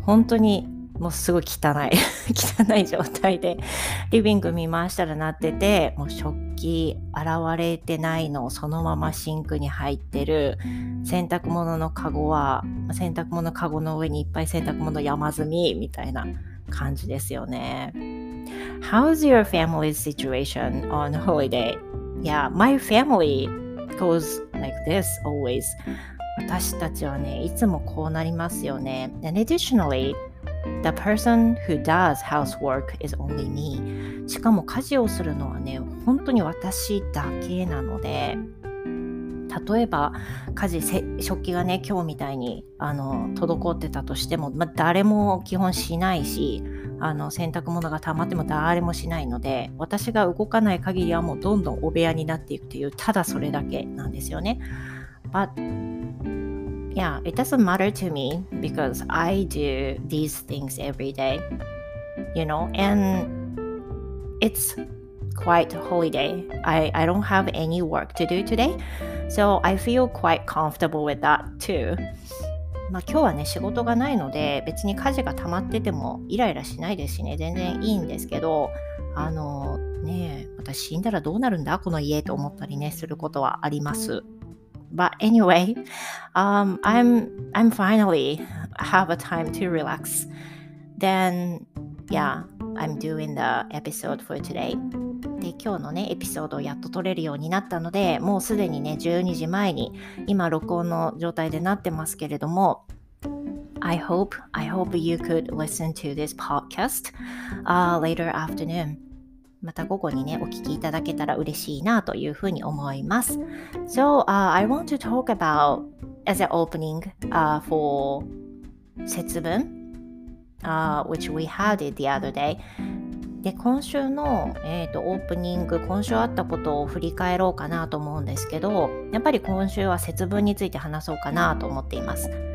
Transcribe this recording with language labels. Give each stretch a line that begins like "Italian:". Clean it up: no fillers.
Japanese: 本当にもうすごい汚い状態でリビング見回したらなってて、もう食器洗われてないのそのままシンクに入ってる、洗濯物のカゴは洗濯物カゴの上にいっぱい洗濯物山積みみたいな感じですよね。
English: How's your family's situation on holiday? Yeah, my family goes like this always.
Japanese: 私たちはね、いつもこうなりますよね。
English: And additionallyThe person who does housework is only me.
Japanese: しかも家事をするのはね、本当に私だけなので、例えば家事、食器がね今日みたいに滞ってたとしても、ま、誰も基本しないし、洗濯物が溜まっても誰もしないので、私が動かない限りはもうどんどんお部屋になっていくという、ただそれだけなんですよね。
English: ButYeah, it doesn't matter to me because I do these things every day, you know, and it's quite holiday. I don't have any work to do today, so I feel quite comfortable with that too.
Japanese: まあ今日はね、仕事がないので別に家事が溜まっててもイライラしないですしね、全然いいんですけど、ね、私死んだらどうなるんだこの家と思ったりね、することはあります。
English: But anyway, I'm finally have a time to relax. Then, yeah, I'm doing the episode for today.
Japanese: で、今日のね、エピソードをやっと撮れるようになったので、もうすでにね、12時前に今録音の状態でなってますけれども、 I hope you could listen to this podcast later afternoon. また午後にね、お聞きいただけたら嬉しいなというふうに思います。 So, I want to talk about
English: as an opening for 節分、which we had it the other day。
Japanese: で、今週の、オープニング、今週あったことを振り返ろうかなと思うんですけど、やっぱり今週は節分について話そうかなと思っています。